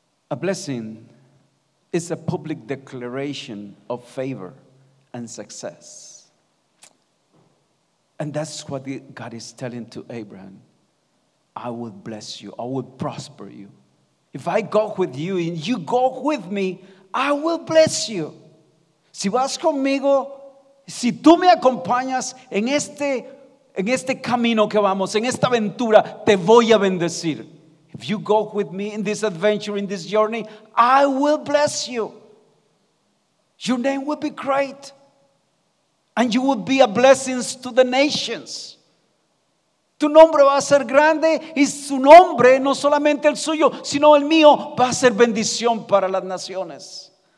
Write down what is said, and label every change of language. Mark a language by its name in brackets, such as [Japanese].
[English] A blessing is a public declaration of favor and success. And that's what God is telling to Abraham. I will bless you. I will prosper you. If I go with you and you go with me, I will bless you. [Spanish] Si vas conmigo, si tú me acompañas en este camino que vamos, en esta aventura, te voy a bendecir. [English] If you go with me in this adventure, in this journey, I will bless you. Your name will be great. And you will be a blessing to the nations. [Spanish] Tu nombre va a ser grande y su nombre, no solamente el suyo, sino el mío, va a ser bendición para las naciones.